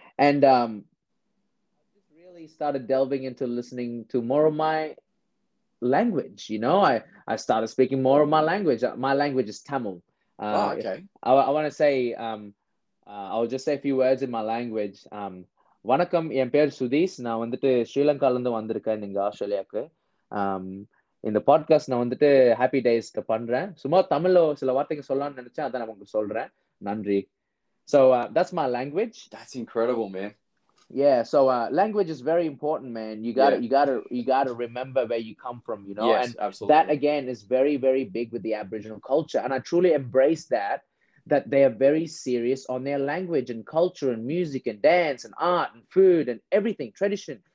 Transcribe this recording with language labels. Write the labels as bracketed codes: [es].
[en] And I just really started delving into listening to more of my language, you know? I started speaking more of my language. My language is Tamil. Oh, okay. I want to say I'll just say a few words in my language. [ta] வணக்கம், என் பேர் சுதீஷ். நான் வந்துட்டு ஸ்ரீலங்காலேருந்து வந்திருக்கேன் இங்கே ஆஸ்திரேலியாவுக்கு. இந்த podcast நான் வந்துட்டு ஹாப்பி டேஸ்க்கு பண்ணுறேன். சும்மா தமிழில் சில வார்த்தைங்க சொல்லலாம்னு நினச்சேன், அதான் நான் உங்களுக்கு சொல்கிறேன். நன்றி. [en] So that's my language. That's incredible, man. Yeah, so language is very important, man. You got to remember where you come from, you know? Yes, and absolutely. That, again, is very, very big with the Aboriginal culture. And I truly embrace that they are very serious on their language and culture and music and dance and art and food and everything, tradition.